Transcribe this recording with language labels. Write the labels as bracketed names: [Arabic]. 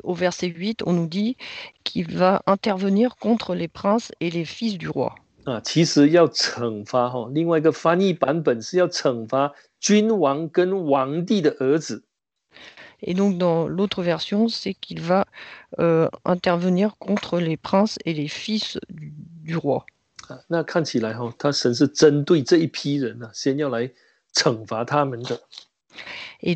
[French] au verset 8, on nous dit qu'il va intervenir contre les princes et les fils du roi. [Chinese] 其实要惩罚，另外一个翻译版本是要惩罚君王跟王帝的儿子。 [French] Et donc dans l'autre version, c'est qu'il va intervenir contre les princes et les fils du roi. [Chinese] 那看起来，他神是针对这一批人，先要来惩罚他们的。 [French] Et